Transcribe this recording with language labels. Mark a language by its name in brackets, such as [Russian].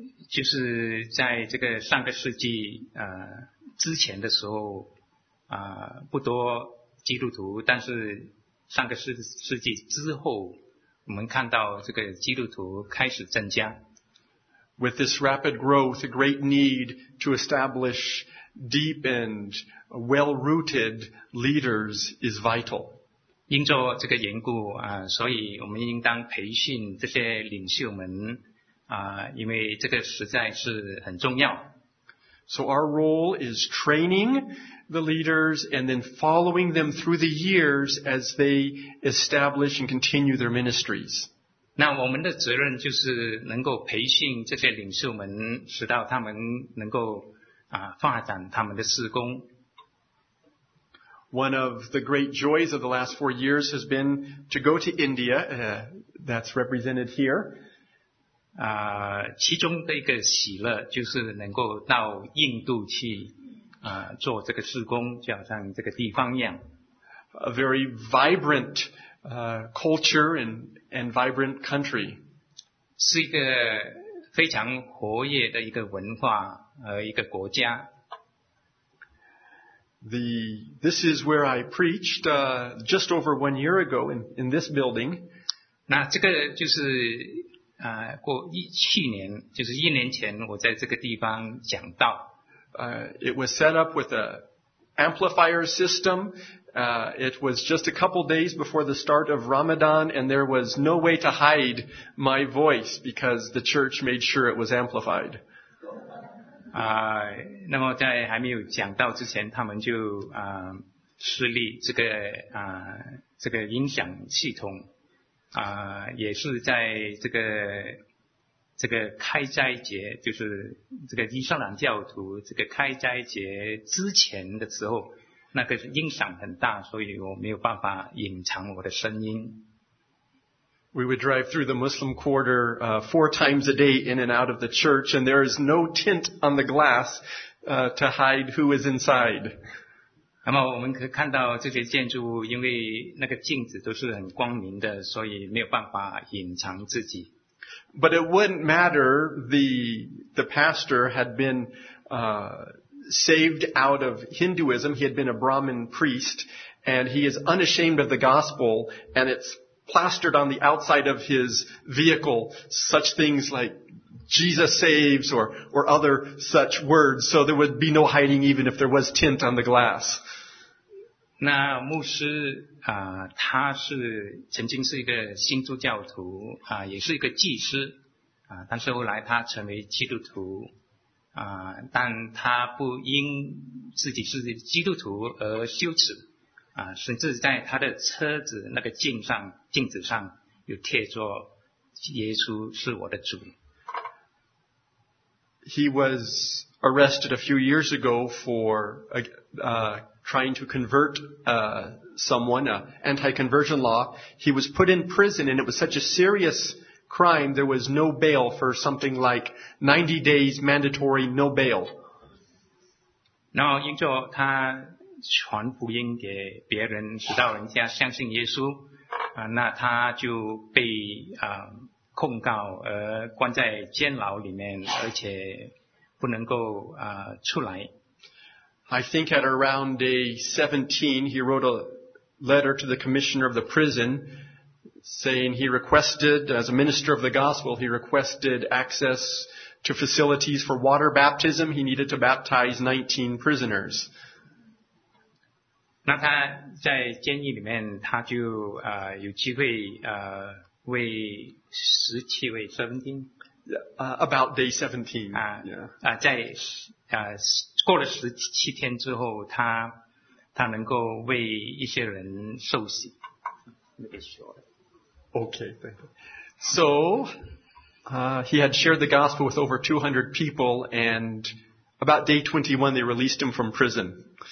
[Chinese] 就是在这个上个世纪之前的时候不多基督徒，但是上个世纪之后我们看到这个基督徒开始增加。 [English] With this rapid growth, a great need to establish deep and well-rooted leaders is vital. [Chinese] 因着这个缘故所以我们应当培训这些领袖们因为这个实在是很重要。 [English] So our role is training the leaders and then following them through the years as they establish and continue their ministries. [Chinese] 那我们的责任就是能够培训这些领袖们，使到他们能够发展他们的事工。 [English] One of the great joys of the last 4 years has been to go to India, that's represented here. [Chinese] 其中的一个喜乐就是能够到印度去做这个事工，就好像这个地方一样。 [English] A very vibrant culture and vibrant country. [Chinese] 是一个非常活跃的一个文化和一个国家。 [English] This is where I preached just over 1 year ago in this building. [Chinese] 那这个就是去年，就是一年前我在这个地方讲道。 [English] It was set up with an amplifier system. It was just a couple days before the start of Ramadan, and there was no way to hide my voice because the church made sure it was amplified. [Chinese] 那么在还没有讲到之前，他们就设立这个音响系统，也是在这个开斋节，就是这个伊斯兰教徒这个开斋节之前的时候，那个音响很大，所以我没有办法隐藏我的声音。 [English] We would drive through the Muslim quarter four times a day in and out of the church, and there is no tint on the glass to hide who is inside. [Chinese] 那么我们可以看到这些建筑物，因为那个镜子都是很光明的，所以没有办法隐藏自己。 [English] But it wouldn't matter, the pastor had been saved out of Hinduism. He had been a Brahmin priest, and he is unashamed of the gospel, and it's plastered on the outside of his vehicle. Such things like Jesus saves or other such words, so there would be no hiding even if there was tint on the glass. [Chinese] 那牧师啊、他是曾经是一个新基督教徒啊、也是一个祭司啊、但是后来他成为基督徒啊、但他不因自己是基督徒而羞耻啊、甚至在他的车子那个镜子上有贴着耶稣是我的主。 [English] He was arrested a few years ago for trying to convert someone, anti-conversion law. He was put in prison and it was such a serious crime, there was no bail for something like 90 days mandatory no bail. [Chinese] 然后因着他传福音给别人，使到人家相信耶稣，那他就被控告而关在监牢里面，而且不能够出来。 [English] I think at around day 17, he wrote a letter to the commissioner of the prison saying he requested, as a minister of the gospel, he requested access to facilities for water baptism. He needed to baptize 19 prisoners. [Chinese] 那他在监狱里面他就有机会为17位 17? [English] About day 17. [Chinese] 在过了17天之后他能够为一些人受洗。 [English] Okay, thank you. So, he had shared the gospel with over 200 people and about day 21 they released him from prison.